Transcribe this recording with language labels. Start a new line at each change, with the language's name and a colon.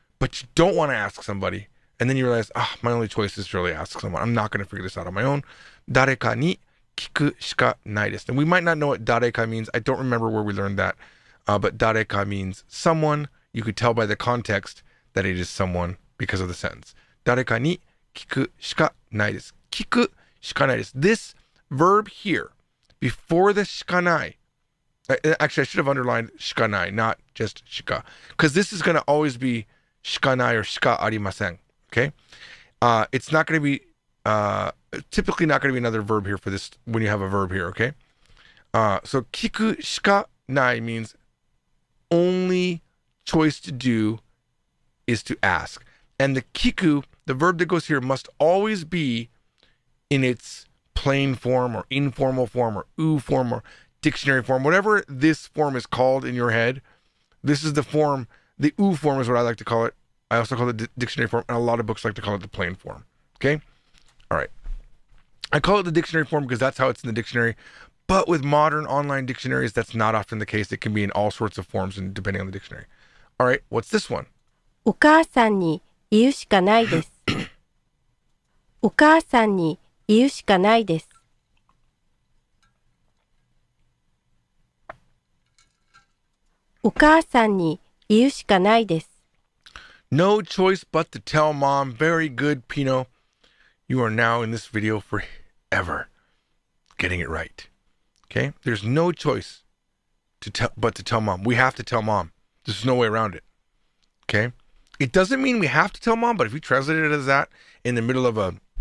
English: But you don't want to ask somebody. And then you realize, my only choice is to really ask someone. I'm not going to figure this out on my own.
Japanese: 誰かに聞くしかないです。
English: And we might not know what 誰か means. I don't remember where we learned that. But 誰か means someone. You could tell by the context that it is someone because of the sentence.
Japanese: 誰かに聞くしかないです。聞くしかないです。
English: This verb here, before the しかない. Actually, I should have underlined しかない, not just しか. Because this is going to always be Shikanai or shika arimasen. Okay. It's not going to be typically not going to be another verb here for this when you have a verb here. Okay. So kiku shika nai means only choice to do is to ask. And the kiku, the verb that goes here, must always be in its plain form or informal form or u form or dictionary form, whatever this form is called in your head. This is the form, the u form is what I like to call it. I also call it the dictionary form, and a lot of books like to call it the plain form, okay? All right. I call it the dictionary form because that's how it's in the dictionary, but with modern online dictionaries, that's not often the case. It can be in all sorts of forms and depending on the dictionary. All right, what's this one?
Japanese: お母さんに言うしかないです。お母さんに言うしかないです。お母さんに言うしかないです。
English: No choice but to tell mom. Very good, Pino. You are now in this video forever getting it right. Okay? There's no choice but to tell mom. We have to tell mom. There's no way around it. Okay? It doesn't mean we have to tell mom, but if you translate it as that in the middle of a...